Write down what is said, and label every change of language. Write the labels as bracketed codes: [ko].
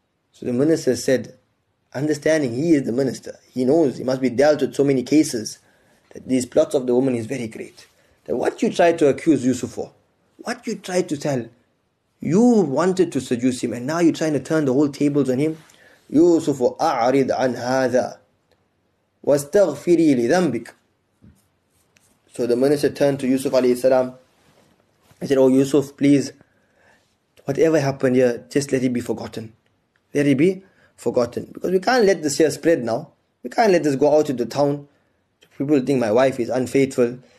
[en] So the minister said, understanding he is the minister, he knows he must be dealt with so many cases, that these plots of the woman is very great. That what you tried to accuse Yusuf for, what you tried to tell, you wanted to seduce him and now you're trying to turn the whole tables on him. [ar] Yusuf, أعرض عن هذا واستغفري لذنبك. [en] So the minister turned to Yusuf alayhi salam. He said, oh Yusuf, please, whatever happened here, just let it be forgotten. Let it be forgotten. Because we can't let this here spread now. We can't let this go out to the town. People think my wife is unfaithful.